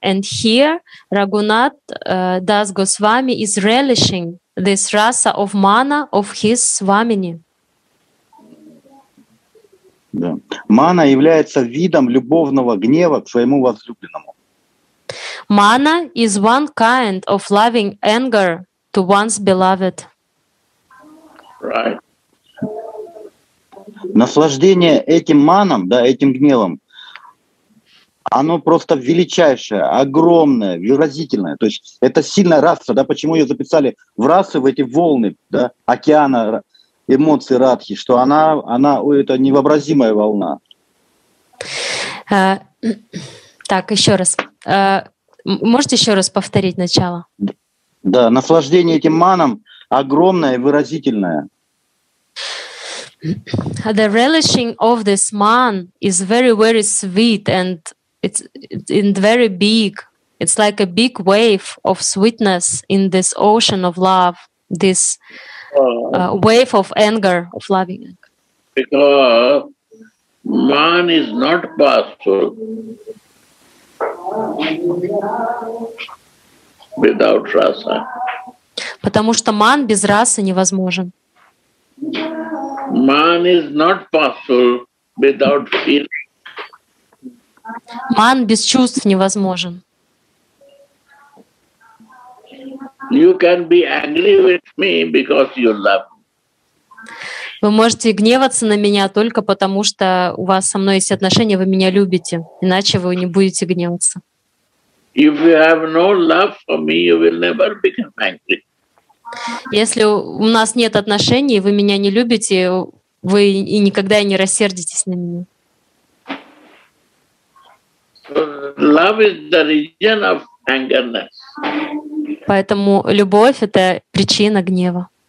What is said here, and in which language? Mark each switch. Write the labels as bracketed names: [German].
[English] And here, Raghunath Das Goswami is relishing this rasa of mana of his Swamini. [Russian] Да. Мана является видом любовного гнева к своему возлюбленному. [English] Mana is one kind of loving anger to one's beloved. Right. [Russian] Наслаждение этим маном, да, этим гневом, оно просто величайшее, огромное, выразительное. То есть это сильная раса, да, почему ее записали в расы, в эти волны, да, океана эмоций Радхи, что она это невообразимая волна. Так, еще раз. Можете еще раз повторить начало? Да, наслаждение этим маном огромное, выразительное. [English] The relishing of this man is very, very sweet, and it's very big. It's like a big wave of sweetness in this ocean of love, this wave of anger, of loving anger. Because man is not possible without rasa. [Russian] Потому что ман без расы невозможен. [English] Man is not possible without feeling. [Russian] Man без чувств невозможен. [English] You can be angry with me because you love. [Russian] Вы можете гневаться на меня только потому, что у вас со мной есть отношения, вы меня любите, иначе вы не будете гневаться. [English] If you have no love for me, you will never become angry. [Russian] Если у нас нет отношений, вы меня не любите, вы и никогда не рассердитесь на меня. [English] Love is the reason of angerness. [Russian] Поэтому любовь — это причина гнева.